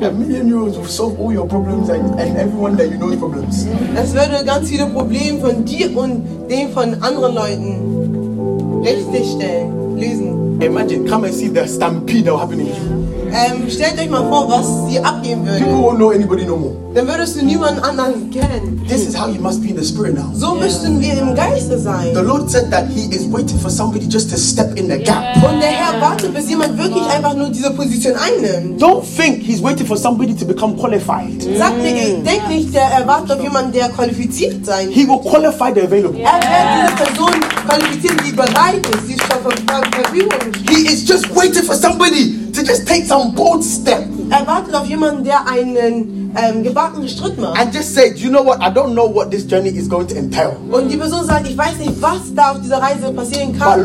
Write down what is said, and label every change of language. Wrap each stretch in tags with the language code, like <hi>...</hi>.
<en>1 Million Euros will solve all your problems and everyone that you know's problems.</en> <de>Es würde ganz viele Probleme von dir und dem von anderen Leuten richtig stellen, lösen.</de> <en>Imagine, come and see the stampede that will happen in you.</en> <de>Stellt euch mal vor, was sie abgeben würden.</de> <en>People won't know anybody no more.</en> <de>Dann würdest du niemanden anderen kennen.</de> <en>This is how you must be in the spirit now.</en> <de>So müssten wir im Geiste sein.</de> <en>The Lord said that he is waiting for somebody just to step in the gap.</en> <de>Und der Herr wartet, bis jemand wirklich einfach nur diese Position einnimmt.</de> <en>Don't think he's waiting for somebody to become qualified.</en> <de>Denk nicht, der erwartet auf jemanden, der qualifiziert sein.</de> <en>He will qualify the available.</en> <de>Er wird diese Person qualifizieren, die bereit ist, die schon verfügbar ist.</de> <en>He is just waiting for somebody to just take some bold step.</en> <de>erwartet auf jemanden, der einen gebackenen Strick macht.</de> <en>And just said, you know what? I don't know what this journey is going to entail.</en> <de>Und die Person sagt, ich weiß nicht, was da auf dieser Reise passieren kann.</de>